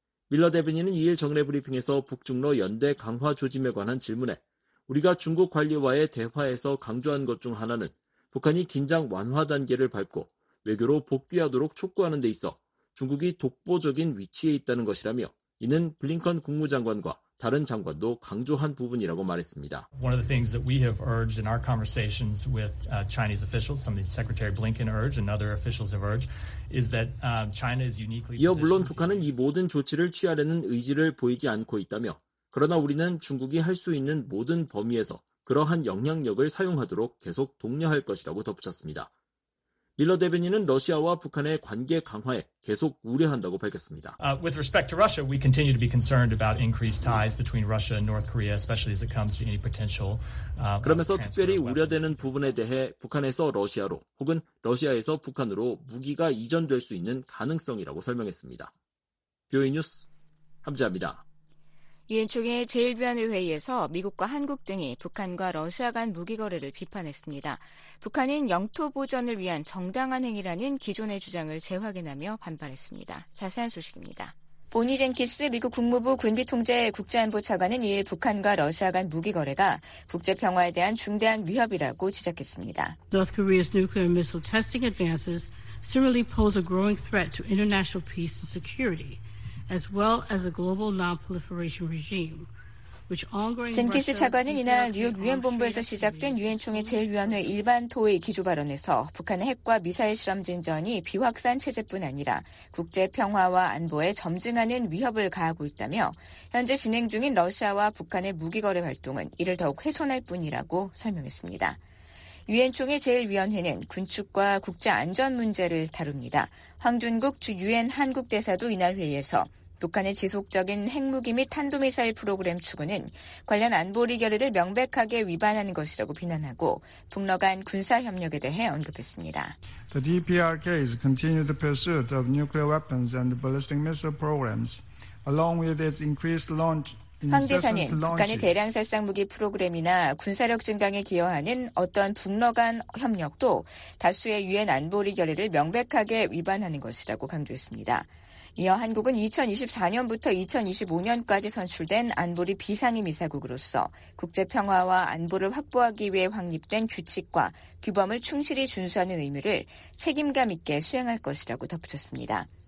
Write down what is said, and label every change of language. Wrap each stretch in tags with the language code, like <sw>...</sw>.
<ko>밀러 대변인은 2일 정례 브리핑에서 북중러 연대 강화 조짐에 관한 질문에 우리가 중국 관료와의 대화에서 강조한 것 중 하나는 북한이 긴장 완화 단계를 밟고 외교로 복귀하도록 촉구하는 데 있어 중국이 독보적인 위치에 있다는 것이라며 이는 블링컨 국무장관과 다른 장관도 강조한 부분이라고 말했습니다.</ko> <en>One of the things that we have urged in our conversations with Chinese officials, something Secretary Blinken urged and other officials have urged, is that China is uniquely.</en> <ko>이어 물론 북한은 이 모든 조치를 취하려는 의지를 보이지 않고 있다며, 그러나 우리는 중국이 할 수 있는 모든 범위에서 그러한 영향력을 사용하도록 계속 독려할 것이라고 덧붙였습니다. 밀러 대변인은 러시아와 북한의 관계 강화에 계속 우려한다고 밝혔습니다.</ko> <en>With respect to Russia, we continue to be concerned about increased ties between Russia and North Korea, especially as it comes to any potential.</en> <ko>그러면서 특별히 우려되는 부분에 대해 북한에서 러시아로 혹은 러시아에서 북한으로 무기가 이전될 수 있는 가능성이라고 설명했습니다. 뷰이 뉴스 함지아입니다. 유엔 총회 제1위원회 회의에서 미국과 한국 등이 북한과 러시아 간 무기 거래를 비판했습니다. 북한은 영토 보전을 위한 정당한 행위라는 기존의 주장을 재확인하며 반발했습니다. 자세한 소식입니다. 보니 젠키스 미국 국무부 군비통제 국제안보 차관은 이 북한과 러시아 간 무기 거래가 국제 평화에 대한 중대한 위협이라고 지적했습니다.</ko> <en>North Korea's nuclear missile testing advances similarly pose a growing threat to international peace and security. As well as a global non-proliferation regime, which ongoing.</en> <ko>젠키스 차관은 이날 뉴욕 유엔 본부에서 시작된 유엔 총회 제1위원회 일반 토의 기조 발언에서 북한의 핵과 미사일 실험 진전이 비확산 체제뿐 아니라 국제 평화와 안보에 점증하는 위협을 가하고 있다며 현재 진행 중인 러시아와 북한의 무기 거래 활동은 이를 더욱 훼손할 뿐이라고 설명했습니다. 유엔 총회 제1위원회는 군축과 국제 안전 문제를 다룹니다. 황준국 주 유엔 한국 대사도 이날 회의에서 북한의 지속적인 핵무기 및 탄도미사일 프로그램 추구는 관련 안보리 결의를 명백하게 위반하는 것이라고 비난하고 북러 간 군사 협력에 대해 언급했습니다.</ko> <en>The DPRK's continued pursuit of nuclear weapons and ballistic missile programs along with its increased launch</en> <ko>황 대사는 북한의 대량 살상무기 프로그램이나 군사력 증강에 기여하는 어떤 북러 간 협력도 다수의 유엔 안보리 결의를 명백하게 위반하는 것이라고 강조했습니다. 이어 한국은 2024년부터 2025년까지 선출된 안보리 비상임 이사국으로서 국제 평화와 안보를 확보하기 위해 확립된 규칙과 규범을 충실히 준수하는 의무를 책임감 있게 수행할 것이라고 덧붙였습니다.</ko>